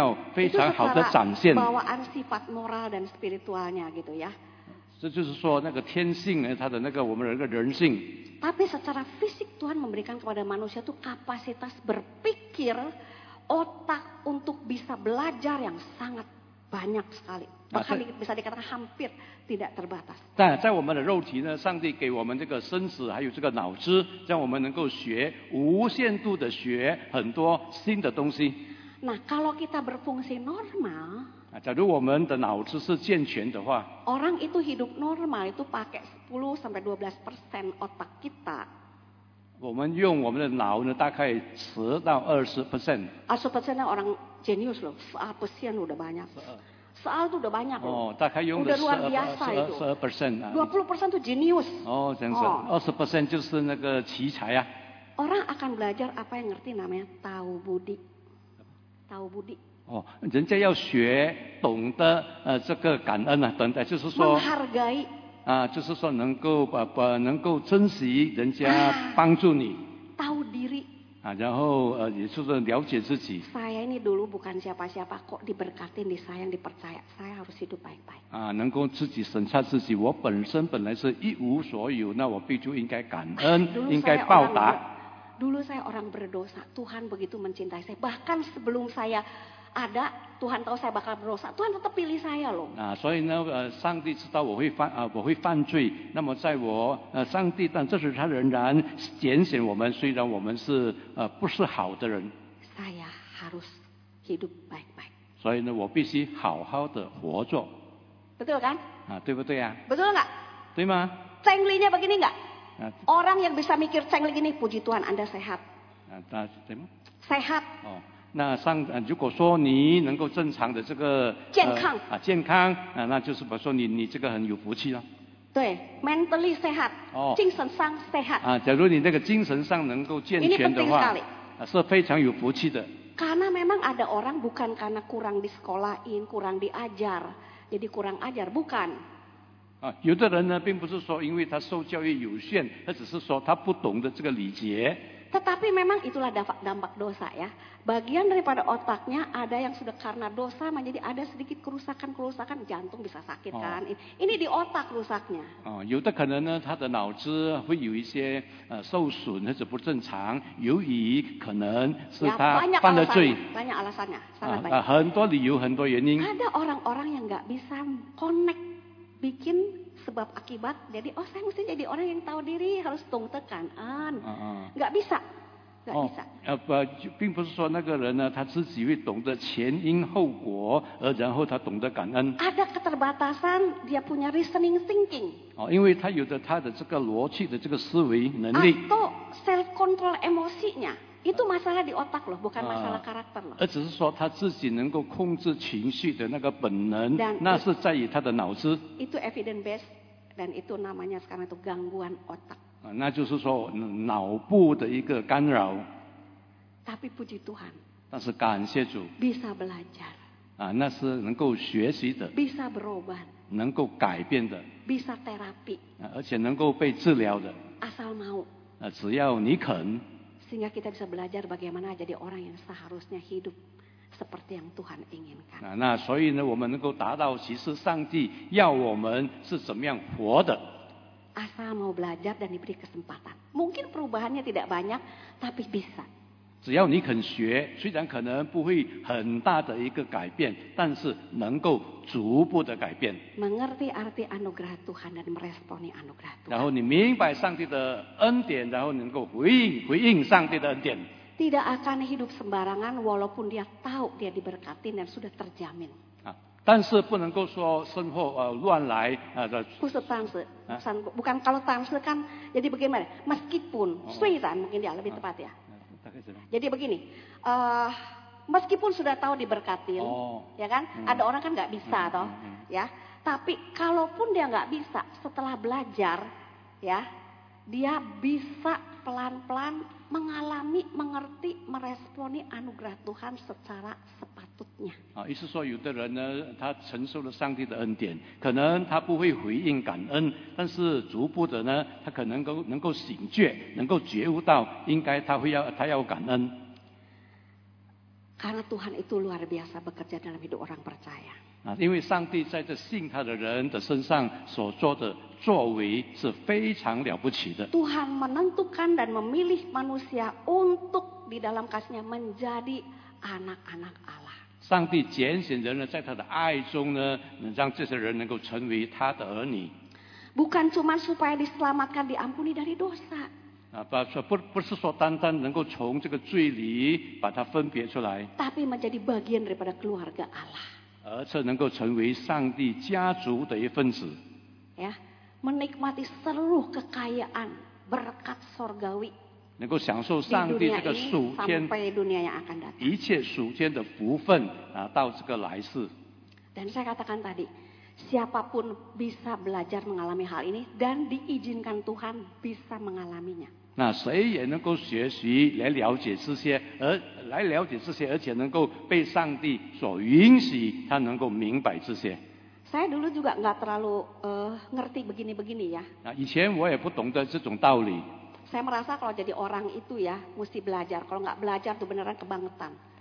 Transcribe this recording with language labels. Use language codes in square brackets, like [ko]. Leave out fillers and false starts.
[zh] 然后我们被描述，我们是照他的形象，也就是说我们的形象跟他一样的，这是一个非常美妙、非常好的展现。 [id] bawaan sifat moral dan spiritualnya gitu ya. [zh] 这就是说那个天性，他的那个我们人的人性。 [id] Tapi secara fisik Tuhan memberikan kepada manusia tuh kapasitas berpikir otak untuk bisa belajar yang sangat banyak sekali. Bahkan bisa dikatakan hampir tidak terbatas. [zh] Nah, 在我们的肉体呢，上帝给我们这个身子，还有这个脑子，让我们能够学无限度的学很多新的东西。 [id] Nah, kalau kita berfungsi normal, [zh] 假如我们的脑子是健全的话, [id] orang itu hidup normal itu pakai 10-12% otak kita. [zh] 我们用我们的脑呢，大概十到二十 percent。二十 percent 呢， [id] orang genius loh， [zh] 十二 percent 都得 banyak。 [id] soal itu udah banyak [zh] loh. Oh, 大概用的12%。 [id] 20% itu genius. [zh] Oh, 这样子。20% 就是那个奇才啊。 [id] Orang akan belajar apa yang ngerti namanya tahu budi. Tahu budi. [zh] Oh, 人家要学懂得这个感恩啊，懂得就是说。 [id] Menghargai. [zh] 啊，就是说能够能够珍惜人家帮助你。 [id] Tahu diri. [zh] 啊，然后也就是了解自己。 [id] Saya ini dulu bukan siapa-siapa, kok diberkati, disayang, dipercaya. Saya harus hidup baik-baik. [zh] 啊，能够自己审查自己，我本身本来是一无所有，那我必须应该感恩，应该报答。 [id] Dulu saya orang berdosa, Tuhan begitu mencintai saya. Bahkan sebelum saya ada, Tuhan tahu saya bakal berdosa, Tuhan tetap pilih saya loh. [zh] 啊，所以呢，上帝知道我会犯啊，我会犯罪。那么在我上帝，但这时他仍然拣选我们，虽然我们是不是好的人。 [id] Saya harus hidup baik-baik. [zh] 所以呢，我必须好好的活着。 [id] Betul kan? [zh] 啊，对不对呀？ [id] Betul nggak? [zh] 对吗？ [id] Cengli-nya begini nggak? Orang yang bisa mikir cengli gini, puji Tuhan, Anda sehat. [zh] 啊，那对吗？ [id] Sehat. 哦。 [zh] 那上如果说你能够正常的这个健康啊健康啊，那就是比如说你这个很有福气了。对 ，mentally 健康，哦，精神上健康。啊，假如你那个精神上能够健全的话，啊，是非常有福气的。 [id] karena memang ada orang bukan karena kurang disekolahin kurang diajar jadi kurang ajar bukan。 [zh] 啊，有的人呢，并不是说因为他受教育有限，他只是说他不懂得这个礼节。 [id] Tetapi memang itulah dampak dosa ya. Bagian daripada otaknya ada yang sudah karena dosa menjadi ada sedikit kerusakan-kerusakan jantung bisa sakit kan. Ini di otak rusaknya. [zh] Oh, 有的可能呢他的脑子会有一些受损或者不正常，由于可能是他犯了罪。 [id] Banyak alasannya, sangat banyak. [zh] 很多理由，很多原因。 [id] Ada orang-orang yang enggak bisa connect bikin sebab akibat jadi oh saya mesti jadi orang yang tahu diri harus tung tekan an nggak bisa nggak bisa [zh] apa 并不是说那个人呢他自己会懂得前因后果而然后他懂得感恩 [id] ada keterbatasan dia punya reasoning thinking [zh] 哦因为他有着他的这个逻辑的这个思维能力 [id] atau self control emosinya itu masalah di otak loh bukan masalah karakter loh [zh] 而只是说他自己能够控制情绪的那个本能那是在于他的脑子 [id] itu evidence based dan itu namanya sekarang itu gangguan otak [zh] 那就是说脑部的一个干扰 [id] tapi puji Tuhan [zh] 但是感谢主 [id] bisa belajar [zh] 那是能够学习的 [id] bisa berubah [zh] 能够改变的 [id] bisa terapi [zh] 而且能够被治疗的 [id] asal mau [zh] 只要你肯 [id] sehingga kita bisa belajar bagaimana jadi orang yang seharusnya hidup seperti yang Tuhan inginkan. [zh] 那所以呢，我们能够达到，其实上帝要我们是怎么样活的。 [id] Asal mau belajar dan diberi kesempatan, mungkin perubahannya tidak banyak, tapi bisa. [zh] 只要你肯学，虽然可能不会很大的一个改变，但是能够逐步的改变。 [id] Mengerti arti anugerah Tuhan dan meresponi anugerah Tuhan. [zh] 然后你明白上帝的恩典，然后能够回应上帝的恩典。 [id] Tidak akan hidup sembarangan, walaupun dia tahu dia diberkati dan sudah terjamin. [zh] 但是不能够说生活乱来不是当时， [id] bukan kalau 当时 kan jadi bagaimana? Meskipun虽然mungkin dia lebih tepat ya. Jadi begini, meskipun sudah tahu diberkatin, ya kan? Ada orang kan nggak bisa toh, ya. Tapi kalaupun dia nggak bisa, setelah belajar, ya, dia bisa pelan-pelan mengalami, mengerti, meresponi anugerah Tuhan secara sepatutnya. [zh] 啊，意思说有的人呢，他承受了上帝的恩典，可能他不会回应感恩，但是逐步的呢，他可能能够醒觉，能够觉悟到应该他要感恩。 Karena Tuhan itu luar biasa bekerja dalam hidup orang percaya. 啊，因为上帝在这信他的人的身上所做的。作为是非常了不起的。 [id] Tuhan menentukan dan memilih manusia untuk di dalam kasihnya menjadi anak-anak Allah. [zh] 上帝拣选人呢，在他的爱中呢，能让这些人能够成为他的儿女。 [id] Bukan cuma supaya diselamatkan, diampuni dari dosa. [zh] 不是说单单能够从这个罪里把它分别出来。 [id] Tapi menjadi bagian daripada keluarga Allah. [zh] 而且能够成为上帝家族的一份子。 [id] Ya.Menikmati seluruh kekayaan berkat sorgawi [zh] 能够享受上帝这个属天一切属天的福分啊，到这个来世。 [id] Dan saya katakan tadi, siapapun bisa belajar mengalami hal ini dan diizinkan Tuhan bisa mengalaminya. [zh] 那谁也能够学习来了解这些，而来了解这些，而且能够被上帝所允许，他能够明白这些。 [id] Saya dulu juga enggak terlalu ngerti begini-begini ya. [zh] 那以前我也不懂得这种道理。 [id] Saya merasa kalau jadi orang itu ya mesti belajar, kalau enggak belajar tuh beneran kebangetan。